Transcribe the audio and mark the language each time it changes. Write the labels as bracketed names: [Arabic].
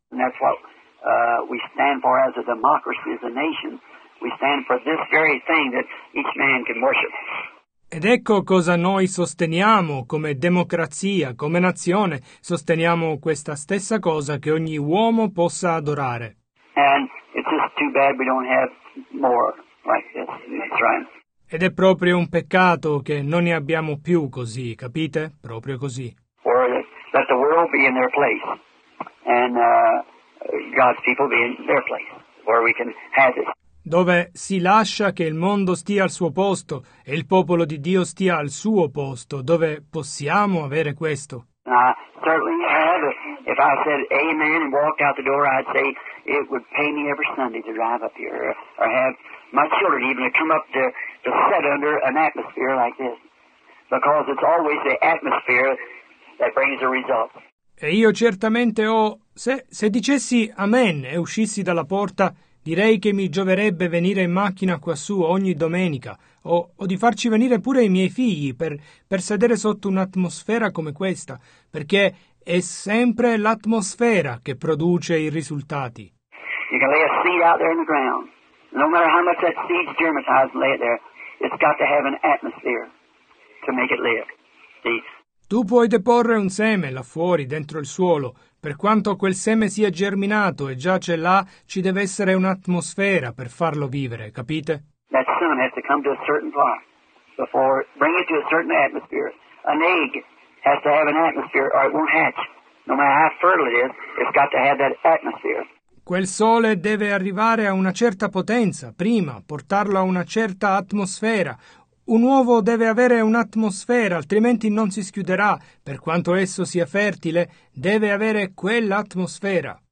[English] That's what we stand for as a democracy, as a nation. We stand for this very thing that each man can worship. [Italian] Ed ecco cosa noi sosteniamo come democrazia, come nazione. Sosteniamo questa stessa cosa che ogni uomo possa adorare. [English] And it's just too bad we don't have more like this. That's right. [Italian] Ed è proprio un peccato che non ne abbiamo più così, capite? Proprio così. [English] Or let the world be in their place, and God's people be in their place, where we can have it. [Italian] Dove si lascia che il mondo stia al suo posto e il popolo di Dio stia al suo posto, dove possiamo avere questo. [English] I certainly have If I said amen and walked out the door, I'd say it would pay me every Sunday to drive up here or have my children even to come up to sit under an atmosphere like this. Because it's always the atmosphere that brings the results. [Italian] E io certamente ho... Se dicessi amen e uscissi dalla porta, direi che mi gioverebbe venire in macchina quassù ogni domenica, o di farci venire pure i miei figli per sedere sotto un'atmosfera come questa, perché è sempre l'atmosfera che produce i risultati. [English] You can lay a seed out there in the ground. No matter how much that seed germinates and lay it there, it's got to have an atmosphere to make it live. See? [Italian] Tu puoi deporre un seme là fuori, dentro il suolo. Per quanto quel seme sia germinato e già c'è là, ci deve essere un'atmosfera per farlo vivere, capite? [English] That sun has to come to a certain spot before bring it to a certain atmosphere. An egg has to have an atmosphere or it won't hatch. No matter how fertile it is, it's got to have that atmosphere. [Italian] Quel sole deve arrivare a una certa potenza prima, portarlo a una certa atmosfera. Un uovo deve avere un'atmosfera, altrimenti non si schiuderà. Per quanto esso sia fertile, deve avere quell'atmosfera.